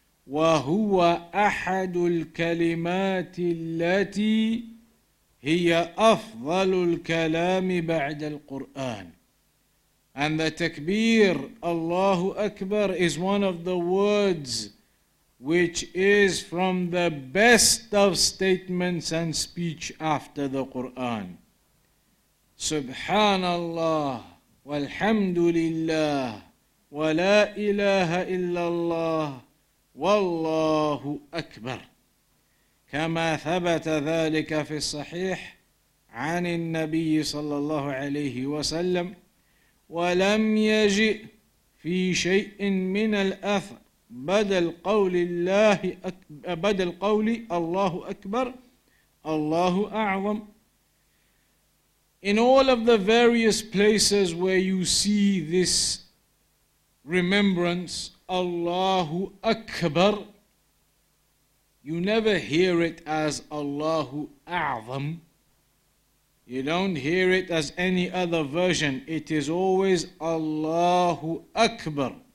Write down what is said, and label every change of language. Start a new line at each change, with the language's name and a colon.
Arabic: وَهُوَ أَحَدُ الْكَلِمَاتِ الَّتِي هِيَ أَفْضَلُ الْكَلَامِ بَعْدَ الْقُرْآنِ.
English: And the takbir, Allahu Akbar, is one of the words which is from the best of statements and speech after the Qur'an.
Arabic: سبحان الله والحمد لله ولا إله إلا الله والله أكبر كما ثبت ذلك في الصحيح عن النبي صلى الله عليه وسلم ولم يجئ في شيء من الأثر بدل قول الله بدل قول الله أكبر الله أعظم.
English: In all of the various places where you see this remembrance, Allahu Akbar, You never hear it as Allahu A'zam. You don't hear it as any other version. It is always Allahu Akbar.